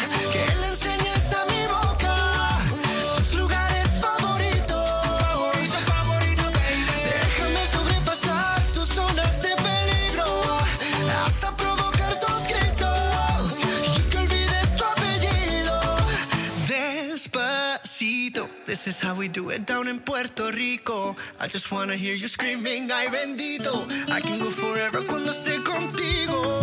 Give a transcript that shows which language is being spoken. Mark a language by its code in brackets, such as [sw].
[es] Que le enseñes a mi boca tus lugares favoritos. Favorito, déjame sobrepasar tus zonas de peligro. Hasta provocar tus gritos. Y que olvides tu apellido. Despacito. [en] This is how we do it down in Puerto Rico. I just wanna hear you screaming, [es] ay bendito. [en] I can go forever [es] cuando esté contigo.